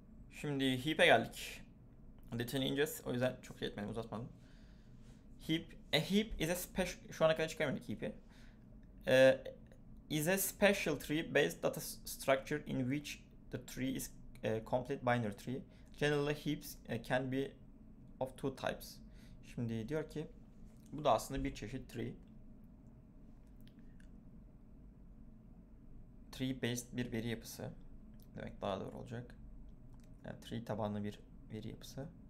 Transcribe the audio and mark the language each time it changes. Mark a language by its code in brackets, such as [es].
[tr] Şimdi heap'e geldik. Detayına ineceğiz. O yüzden çok şey etmedim, uzatmadım. [en] A heap is a special, [tr] şu ana kadar çıkarmadık heap'i. [en] Is a special tree based data structure in which the tree is complete binary tree. Generally heaps can be of two types. [tr] Şimdi diyor ki bu da aslında bir çeşit tree. Tree-based bir veri yapısı demek daha doğru olacak. Yani tree tabanlı bir veri yapısı.